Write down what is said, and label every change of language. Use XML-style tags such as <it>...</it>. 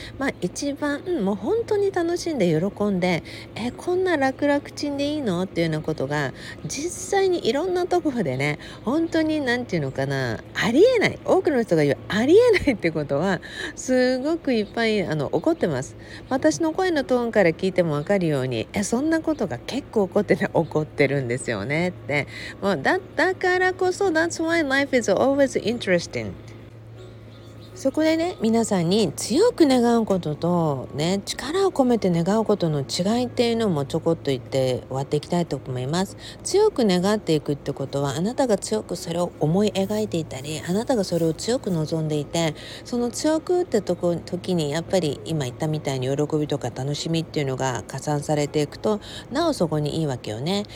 <ja>まあ一番、もう本当に楽しんで喜んで、え、こんな楽々ちんでいいのっていうようなことが、実際にいろんなところでね、本当になんていうのかな、ありえない、多くの人が言うありえないってことはすごくいっぱい起こってます。私の声のトーンから聞いても分かるように、え、そんなことが結構怒ってて、怒ってるんですよねって。もう だからこそ</ja> <en>That's why life is always interesting。</en> <ja>そこでね、皆さんに強く願うことと、ね、力を込めて願うことの違いっていうのもちょこっと言って終わっていきたいと思います。強く願っていくってことは、あなたが強くそれを思い描いていたり、あなたがそれを強く望んでいて、その強くってとこ時にやっぱり今言ったみたいに喜びとか楽しみっていうのが加算されていくと、なおそこにいいわけよね。</ja>